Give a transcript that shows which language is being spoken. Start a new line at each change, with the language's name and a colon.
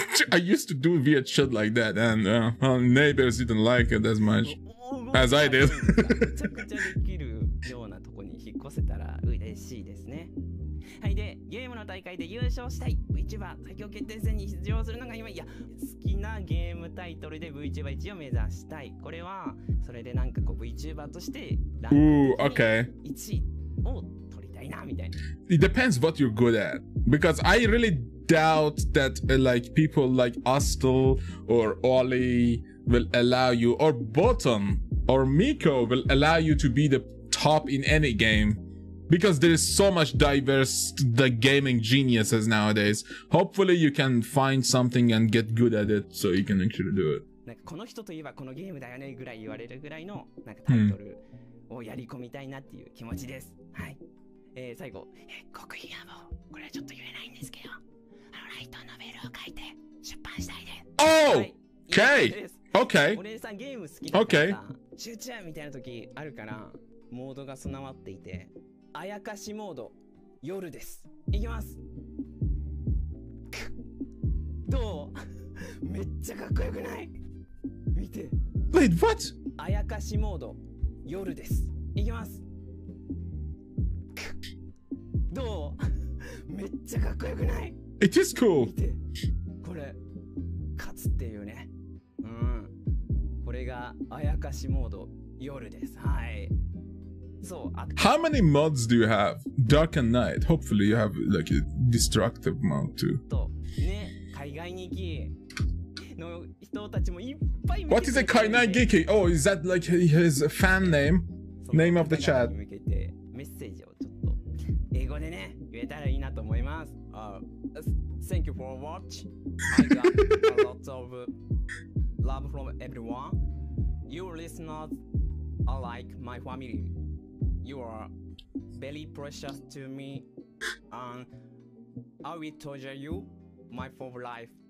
English: I used to do weird shit like that, and neighbors didn't like it as much. As I did.
Japanese: できるようなとこに引っ越せたら嬉しいですね。はい、でゲームの大会で優勝したい VTuber 最強決定戦に出場するのが今、いや、好きなゲームタイトルで VTuber1 を目指したい。これはそれでなんかこう VTuber としてランク的に1 位を取りたいなみたいな。
English: It depends what you're good at, because I really doubt that like people like Astle or Olliwill allow you, or Botan or Miko will allow you to be the top in any game, because there is so much diverse the gaming geniuses nowadays. Hopefully you can find something and get good at it so you can actually do it.
Japanese: なんかこの人といえばこのゲームだよねぐらい言われるぐらいのなんかタイトルをやり込みたいなっていう気持ちです。はい。最後、極秘野望、これはちょっと言えないんですけど、あのライトノベルを書いて出版したいです。
English: Oh!、はい、okay! Okay.
Japanese: お姉さんゲーム好きだから、集中みたいな時あるからモードが備わっていて、あやかしモード夜です。いきます。どう？めっちゃかっこよくない？見て。
English: Wait, what?
Japanese: あやかしモード夜です。いきます。どう？めっちゃかっこよくない？
English: It is cool.
Japanese: 見て、これ勝つっていうね。これがあやかしモード夜です。はい、そう。あ、
English: How many mods do you have? Dark and night. Hopefully you have like a destructive mod too.
Japanese: とね、海外に行きの人たちもいっぱい。
English: What is a
Japanese: 海外に行き?
English: Oh, is that like his fan name? Name of the chat.
Japanese: その海外に向けてメッセージをちょっと英語でね言えたらいいなと思います。
English: Thank you for watch. I got a lot ofLove from everyone. You listeners are like my family. You are very precious to me. And I will treasure you, my whole life.